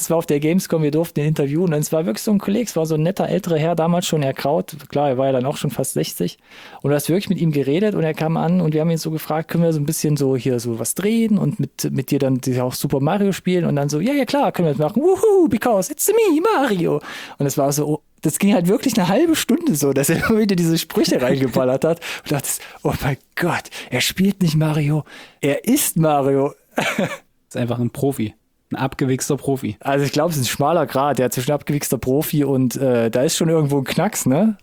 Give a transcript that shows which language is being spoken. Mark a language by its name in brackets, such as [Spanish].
[German] Es war auf der Gamescom, wir durften ihn interviewen und es war wirklich so ein Kollege, es war so ein netter älterer Herr, damals schon erkraut. Klar, er war ja dann auch schon fast 60 und du hast wirklich mit ihm geredet und er kam an und wir haben ihn so gefragt, können wir so ein bisschen so hier so was drehen und mit dir dann auch Super Mario spielen und dann so, ja, klar, können wir das machen. [English] Wuhu, because it's me, Mario. [German] Und es war so, das ging halt wirklich eine halbe Stunde so, dass er immer wieder diese Sprüche reingeballert hat und dachte, oh mein Gott, er spielt nicht Mario, er ist Mario. Ist einfach ein Profi. Ein abgewichster Profi. Also ich glaube, es ist ein schmaler Grat, ja, zwischen abgewichster Profi und da ist schon irgendwo ein Knacks, ne?